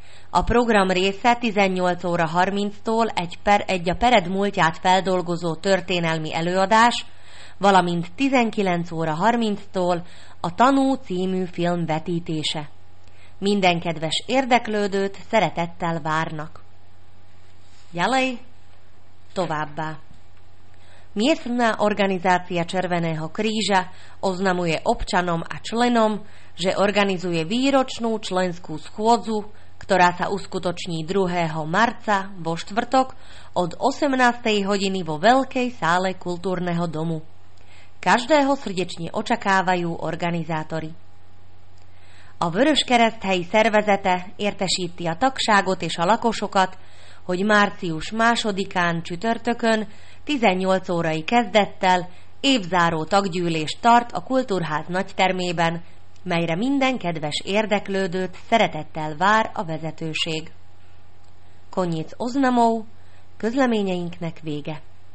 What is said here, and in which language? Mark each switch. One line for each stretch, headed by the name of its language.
Hungarian: A program része 18 óra 30-tól egy a Pered múltját feldolgozó történelmi előadás, valamint 19 óra 30-tól a Tanú című film vetítése. Minden kedves érdeklődőt szeretettel várnak. Gyalej továbbá.
Slovak: Miestna organizácia Červeného kríža oznamuje občanom a členom, že organizuje výročnú členskú schôdzu, ktorá sa uskutoční 2. marca vo štvrtok od 18. hodiny vo Veľkej sále kultúrneho domu. Každého srdečne očakávajú organizátori.
Hungarian: A Vörös Kereszt helyi szervezete értesíti a tagságot és a lakosokat, hogy március 2-án csütörtökön 18 órai kezdettel évzáró taggyűlés tart a Kultúrház nagytermében, melyre minden kedves érdeklődőt szeretettel vár a vezetőség.
Slovak: Konnyic oznamov,
Hungarian: közleményeinknek vége.